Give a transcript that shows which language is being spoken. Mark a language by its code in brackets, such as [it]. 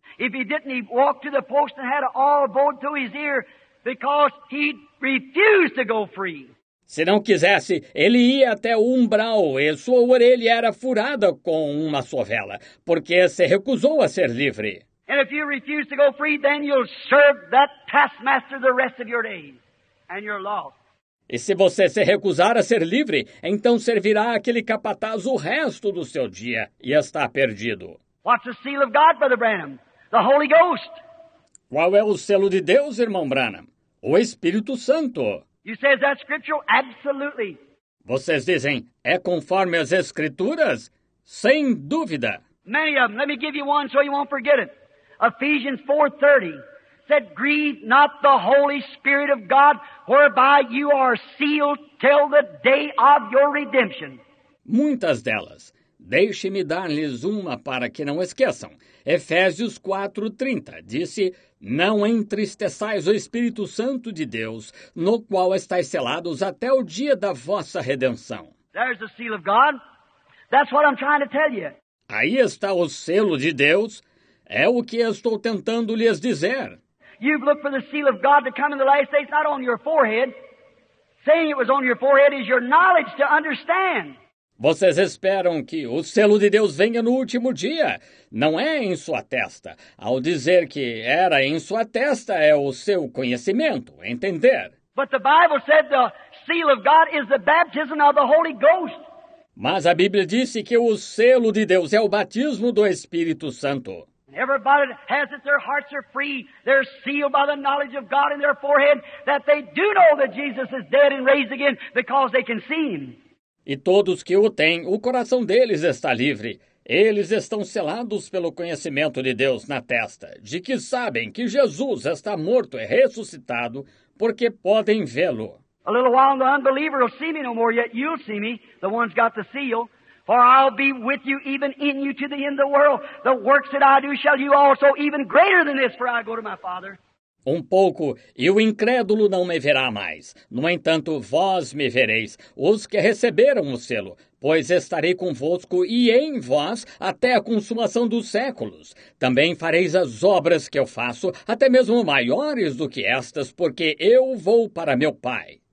[en] If he didn't, he walked to the post and had an awl bowed to his ear because he refused to go free. [pt] Se não quisesse, ele ia até o umbral e sua orelha era furada com uma sovela, porque se recusou a ser livre. [en] And if you refuse to go free, then you'll serve that taskmaster the rest of your days, and you're lost. [pt] E se você se recusar a ser livre, então servirá aquele capataz o resto do seu dia e está perdido. [en] What's the seal of God, Brother Branham? The Holy Ghost. [pt] Qual é o selo de Deus, irmão Branham? O Espírito Santo. [en] You say that scriptural? Absolutely. [pt] Vocês dizem, é conforme as Escrituras? Sem dúvida. [en] Many of them. Let me give you one so you won't forget it. Ephesians 4:30. Said, grieve not the Holy Spirit of God, whereby you are sealed till the day of your redemption. [pt] Muitas delas. Deixe-me dar-lhes uma para que não esqueçam. Efésios 4:30 disse, não entristeçais o Espírito Santo de Deus, no qual estáis selados até o dia da vossa redenção. [en] There's the seal of God. That's what I'm trying to tell you. [pt] Aí está o selo de Deus. É o que estou tentando lhes dizer. [en] You've looked for the seal of God to come in the last days, not on your forehead. Saying it was on your forehead is your knowledge to understand. [pt] Vocês esperam que o selo de Deus venha no último dia. Não é em sua testa. Ao dizer que era em sua testa, é o seu conhecimento, entender. [en] But the Bible said the seal of God is the baptism of the Holy Ghost. [pt] Mas a Bíblia disse que o selo de Deus é o batismo do Espírito Santo. [en] Everybody has it, their hearts are free, they're sealed by the knowledge of God in their forehead, that they do know that Jesus is dead and raised again, because they can see him. [pt] E todos que o têm, o coração deles está livre. Eles estão selados pelo conhecimento de Deus na testa, de que sabem que Jesus está morto e ressuscitado, porque podem vê-lo. [en] A little while and the unbeliever will see me no more, yet you'll see me, the one's got the seal. For I'll be with you, even in you, to the end of the world. The works that I do shall you also, even greater than this, for I go to my Father. [pt] Um pouco, e o incrédulo não me verá mais. No entanto, vós me vereis, os que receberam o selo, pois estarei convosco e em vós até a consumação dos séculos. Também fareis as obras que eu faço, até mesmo maiores do que estas, porque eu vou para meu Pai.